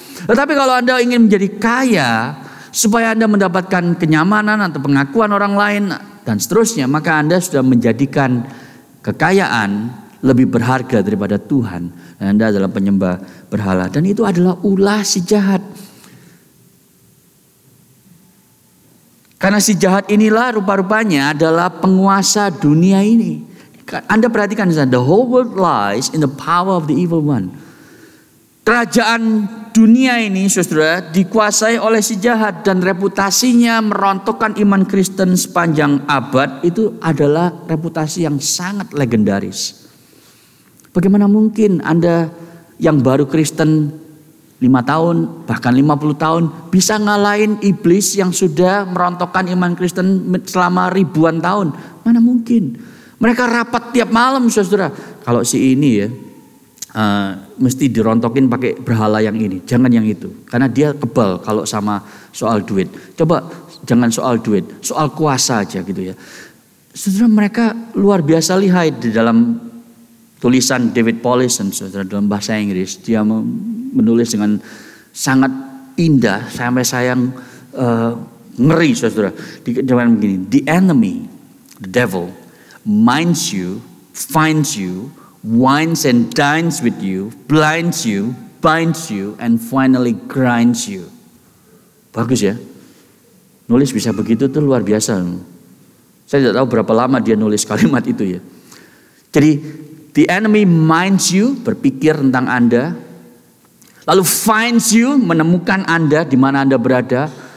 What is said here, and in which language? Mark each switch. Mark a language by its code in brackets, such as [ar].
[id] Tetapi kalau Anda ingin menjadi kaya supaya Anda mendapatkan kenyamanan atau pengakuan orang lain dan seterusnya, maka Anda sudah menjadikan kekayaan lebih berharga daripada Tuhan. Anda adalah penyembah berhala. Dan itu adalah ulah si jahat. Karena si jahat inilah rupa-rupanya adalah penguasa dunia ini. Anda perhatikan, [en] the whole world lies in the power of the evil one. [id] Kerajaan dunia ini, saudara, dikuasai oleh si jahat, dan reputasinya merontokkan iman Kristen sepanjang abad itu adalah reputasi yang sangat legendaris. Bagaimana mungkin Anda yang baru Kristen 5 tahun, bahkan 50 tahun, bisa ngalahin iblis yang sudah merontokkan iman Kristen selama ribuan tahun? Mana mungkin? Mereka rapat tiap malam, saudara. Kalau si ini ya, mesti dirontokin pakai berhala yang ini, jangan yang itu. Karena dia kebal kalau sama soal duit. Coba jangan soal duit, soal kuasa aja gitu ya. Saudara, mereka luar biasa lihai di dalam tulisan David Paulison, saudara, dalam bahasa Inggris. Dia menulis dengan sangat indah, sampai sayang ngeri, saudara. Dikatakan begini, [en] the enemy, the devil, minds you, finds you, wines and dines with you, blinds you, binds you, and finally grinds you. [id] Bagus ya. Nulis bisa begitu tuh luar biasa. Saya tidak tahu berapa lama dia nulis kalimat itu ya. Jadi, [en] the enemy minds you, [id] berpikir tentang Anda. Lalu [en] finds you, [id] menemukan Anda, di mana Anda berada.